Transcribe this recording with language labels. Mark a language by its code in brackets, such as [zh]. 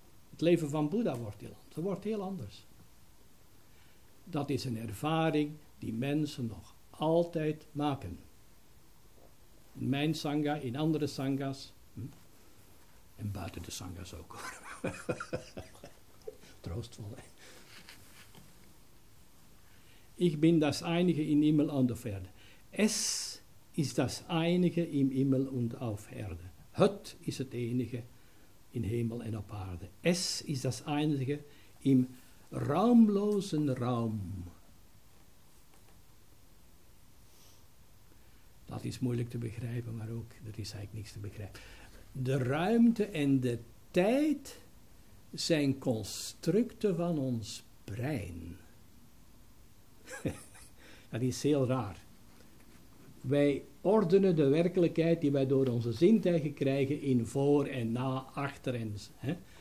[nl] Het leven van Boeddha wordt heel anders. Dat is een ervaring die mensen nog altijd maken. In mijn sangha, in andere sangha's. En buiten de sangha's ook, hoor. Troostvol, hè? [de] Ich bin das Einige in Himmel und auf Erde. Es ist das Einige im Himmel und auf Erde. Het ist das Einige in Himmel und auf Erde. Es ist das Einige im raumlosen Raum. Das ist moeilijk zu begrijpen, aber auch, das ist eigentlich nichts zu begrijpen. [nl] De ruimte en de tijd zijn constructen van ons brein. Dat is heel raar. Wij ordenen de werkelijkheid die wij door onze zintuigen krijgen in voor en na, achter en, hè?